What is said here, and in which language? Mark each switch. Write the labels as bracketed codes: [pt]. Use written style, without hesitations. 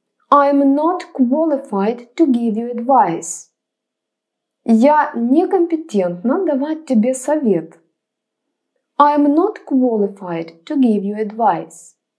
[en] I am not qualified to give you advice. [ru] Я некомпетентна давать тебе совет. [en] I am not qualified to give you advice.